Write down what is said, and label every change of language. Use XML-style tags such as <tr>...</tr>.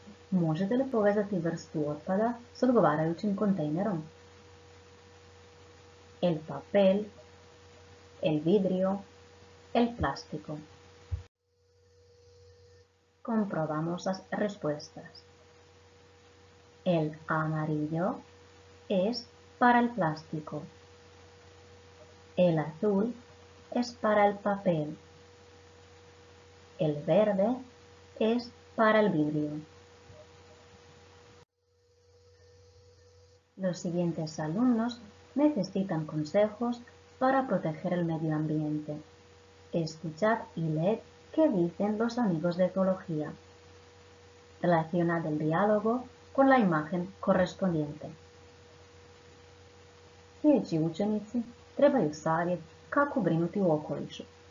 <hr>¿Možete li povezati vrstu otpada s odgovarajućim kontejnerom?</hr> <es>El papel, el vidrio, el plástico. Comprobamos las respuestas. El amarillo es para el plástico. El azul es para el papel. El verde es para el vidrio. Los siguientes alumnos necesitan consejos para proteger el medio ambiente. Escuchad y leed qué dicen los amigos de ecología. Relacionad el diálogo con la imagen correspondiente.</es> <hr>Sljedeći učenici trebaju savjet kako brinuti u okolišu.</hr>